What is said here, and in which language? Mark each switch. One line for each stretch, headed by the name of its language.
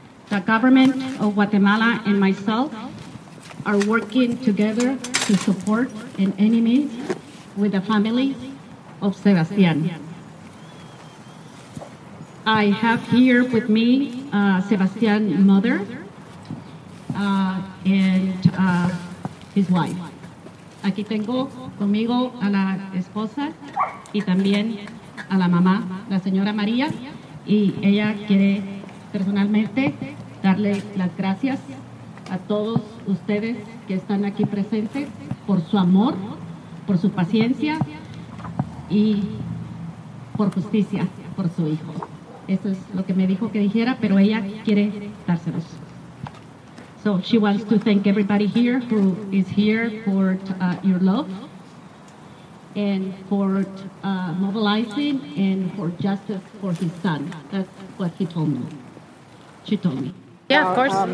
English: The government of Guatemala and myself are working together to support in any means with the family of Sebastián. I have here with me Sebastian's mother and his wife.
Spanish: Aquí tengo conmigo a la esposa y también a la mamá, la señora María, y ella quiere personalmente darle las gracias a todos ustedes que están aquí presentes por su amor, por su paciencia y por justicia por su hijo. Eso es lo que me dijo que dijera, pero ella quiere dárselos.
English: So she wants to thank everybody here who is here for your love and for mobilizing and for justice for his son. That's what he told me. She told me. Yeah, of course.